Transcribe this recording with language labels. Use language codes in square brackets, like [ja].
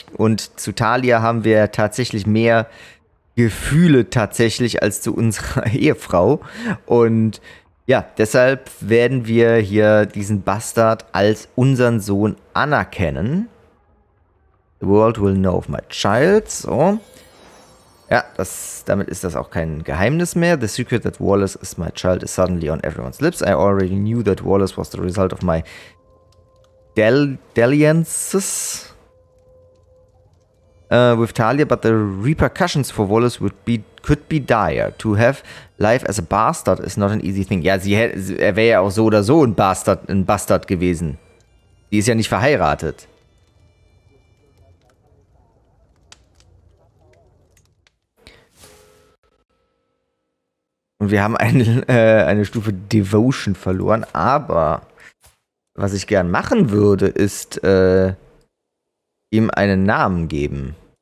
[de] Und zu Talia haben wir tatsächlich mehr Gefühle tatsächlich als zu unserer Ehefrau. Und ja, deshalb werden wir hier diesen Bastard als unseren Sohn anerkennen. [en] The world will know of my child. [de] So. Ja, damit ist das auch kein Geheimnis mehr. [en] The secret that Wallace is my child is suddenly on everyone's lips. I already knew that Wallace was the result of my dalliances with Talia, but the repercussions for Wallace could be dire. To have life as a bastard is not an easy thing. [de] Ja, er wäre ja auch so oder so ein Bastard gewesen. Die ist ja nicht verheiratet. Und wir haben eine Stufe Devotion verloren, aber was ich gern machen würde, ist ihm einen Namen geben.